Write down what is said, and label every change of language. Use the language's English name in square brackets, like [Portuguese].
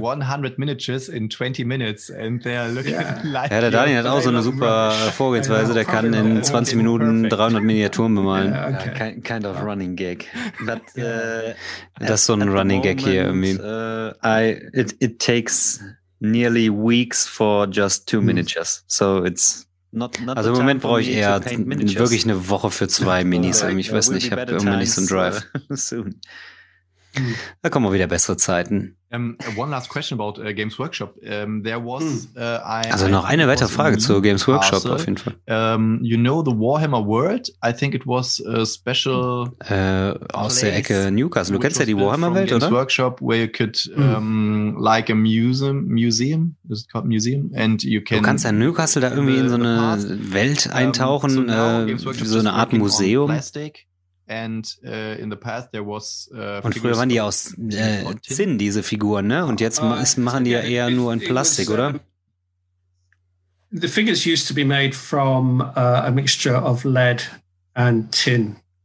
[English] 100 miniatures in 20 minutes and they're looking [German] like. Ja, der Daniel hat auch so eine super Vorgehensweise. Der kann in 20 Minuten 300 Miniaturen bemalen. [English] Kind of running gag. But, [German] das ist so ein Running Gag hier irgendwie. [English] It takes nearly weeks for just two miniatures. So it's. Not [German] also im Moment brauche ich eher wirklich eine Woche für zwei Minis. Oh, ich weiß nicht, ich habe irgendwie nicht so einen Drive. Da kommen wir wieder bessere Zeiten. [English] One last question about Games Workshop. [German] Also noch eine weitere Frage zu Games Workshop auf jeden Fall. [English] You know the Warhammer World? I think it was a special [German] aus der Ecke Newcastle. Du kennst ja die Warhammer Welt, oder? [English] Games Workshop, where you could like a museum. Is it called museum? And you can. [German] Du kannst ja in Newcastle da irgendwie in so eine Welt eintauchen, so eine Art Museum. [English] And in the past there was [German] und früher waren die aus Zinn, diese Figuren, ne? Und jetzt machen die ja eher nur in Plastik, oder? [English] The figures used to be made from a mixture of lead and tin.